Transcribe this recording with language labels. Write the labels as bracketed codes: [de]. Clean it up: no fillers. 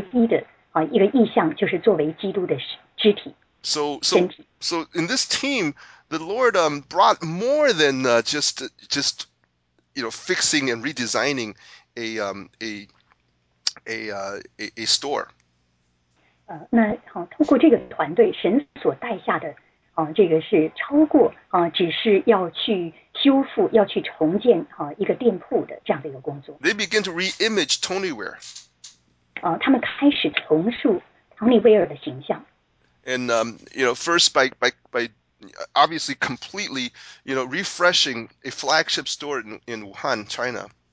[zh] 那这件事可以达成，是因为他们有一个合一的一个意向，就是作为基督的肢体。 [en] So in this team, the Lord brought more than just you know, fixing and redesigning a store. [zh] 那通过这个团队神所带下的，这个是超过只是要去修复、要去重建一个店铺的这样的一个工作。 [en] They begin to re-image Tony Ware. [zh] 他们开始重塑唐尼威尔的形象。 [en] And you know, first by obviously completely, you know, refreshing a flagship store in Wuhan, China.